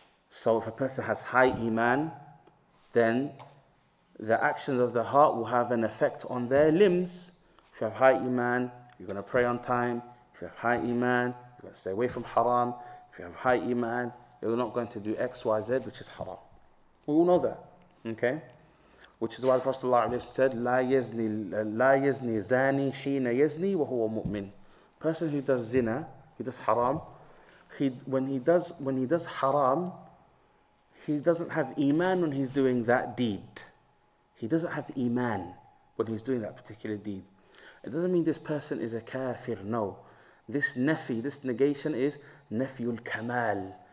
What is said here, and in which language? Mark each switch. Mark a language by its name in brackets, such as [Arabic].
[English] So if a person has high Iman, then the actions of the heart will have an effect on their limbs. If you have high Iman, you're going to pray on time. If you have high Iman, you're going to stay away from haram. If you have high Iman, you're not going to do X, Y, Z, which is haram. We all know that, okay? Which is why the Prophet ﷺ said, [Arabic] لا يزني زاني حين يزني وهو مؤمن. [English] Person who does zina, who does haram, when he does haram, he doesn't have Iman when he's doing that deed. He doesn't have Iman when he's doing that particular deed. It doesn't mean this person is a kafir, no. This nafi, this negation is nafiul kamal.